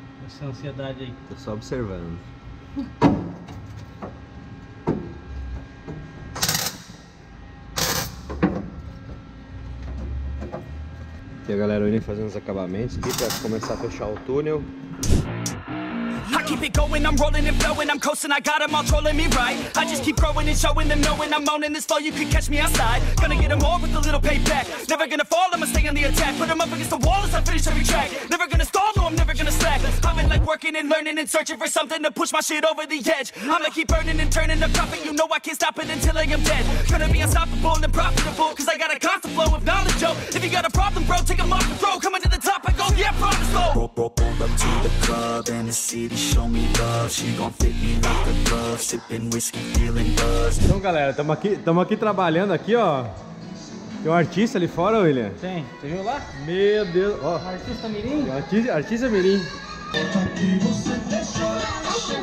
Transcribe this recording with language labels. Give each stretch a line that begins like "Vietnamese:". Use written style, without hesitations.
Portuguese: Essa ansiedade aí. Tô só observando. E a galera, o William fazendo os acabamentos aqui pra começar a fechar o túnel.
English: Keep it going, I'm rolling and flowing. I'm coasting, I got them all trolling me right. I just keep growing and showing them knowing. I'm owning this flow, you can catch me outside. Gonna get them all with a little payback. Never gonna fall, I'ma stay on the attack. Put them up against the wall as I finish every track. Never gonna stall, no, I'm never gonna slack. Coming like working and learning and searching for something to push my shit over the edge. I'ma keep burning and turning the profit. You know I can't stop it until I am dead. Gonna be unstoppable and profitable, cause I got a constant flow of knowledge, yo. If you got a problem, bro, take them off the throw. Coming to the top, I go, yeah, promise, bro. Pulled up to the club and the city show.
Portuguese: Então, galera, estamos aqui trabalhando aqui, ó. Tem um artista ali fora, William? Tem, você viu lá? Meu Deus, ó. Artista Mirim? Artista Mirim. Aqui você deixou.